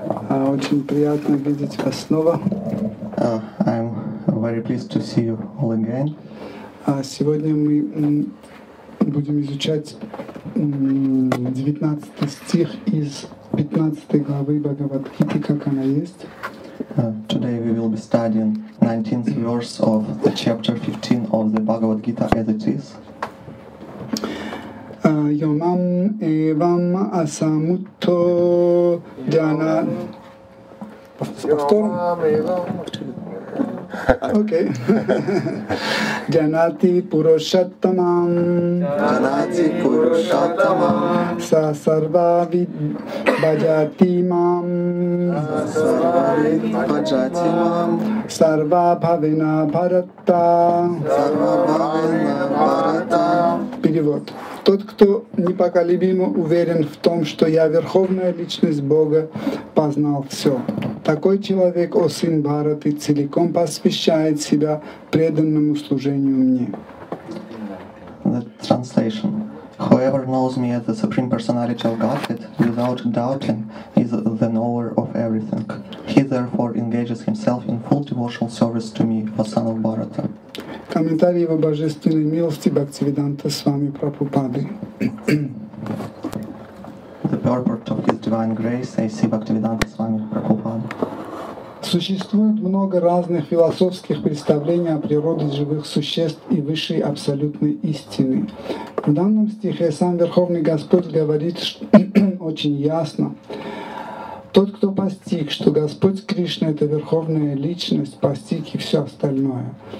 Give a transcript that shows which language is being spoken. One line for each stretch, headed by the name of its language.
Russian: Очень приятно видеть вас снова.
English: I'm very pleased to see you all again.
Russian: Сегодня мы будем изучать 19 стих из 15 главы Бхагавад-гиты, как она есть.
English: Today we will be studying 19th verse of the chapter 15 of the Bhagavad-gita As It Is.
Sanskrit: Yomam evam asamutto jana.
Russian: Повтор.
Sanskrit: Okay. Janati purushottamam. Janati purushottamam. Sa sarva vid bhajati mam. Sa sarva vid bhajati mam. Sarva bhavena bharata. Sarva bhavena bharata.
Russian: Перевод. Тот, кто непоколебимо уверен в том, что я верховная личность Бога, познал все. Такой человек, о сын Бхараты, целиком посвящает себя преданному служению мне.
English: The translation. Whoever knows me as the Supreme Personality of Godhead, without doubting, is the knower of everything. He therefore engages himself in full devotional service to me, O son of Bharata.
Russian: Комментарий его божественной милости Бхактивиданта с вами Прабхупады.
English: The purport of his divine grace, A.C.
Russian: Bhaktivedanta с вами Прабхупада. Существует много разных философских представлений о природе живых существ и высшей абсолютной истины. В данном стихе сам Верховный Господь говорит очень ясно. Тот, кто постиг, что Господь Кришна — это Верховная Личность, постиг и все остальное.